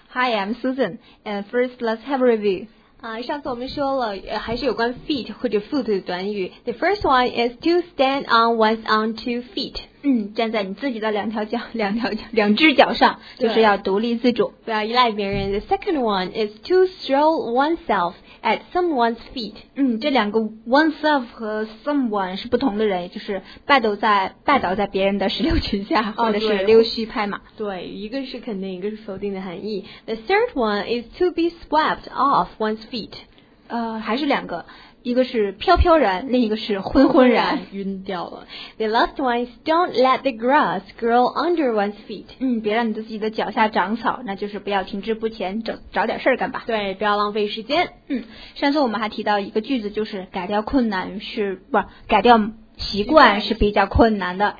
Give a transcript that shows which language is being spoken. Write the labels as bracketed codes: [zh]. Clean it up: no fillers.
[en] Hi, I'm Susan. And first, let's have a review. [zh] 上次我们说了还是有关 feet 或者 foot 的短语。 [en] The first one is to stand on one's own two feet. [zh] 站在你自己的两只脚上就是要独立自主。不要依赖别人。 [en] The second one is to throw oneself at someone's feet. [zh] 这两个 oneself 和 someone 是不同的人，就是拜倒在别人的石榴裙下，或者是溜须拍马。对，一个是肯定，一个是否定的含义。 [en] The third one is to be swept off one's feet. [zh] 还是两个。一个是飘飘然，另一个是昏昏然，晕掉了。 [en] The last one is don't let the grass grow under one's feet. [zh] 别让你自己的脚下长草，那就是不要停滞不前，找点事儿干吧。对，不要浪费时间。上次我们还提到一个句子，就是改掉困难是不改掉习惯是比较困难的。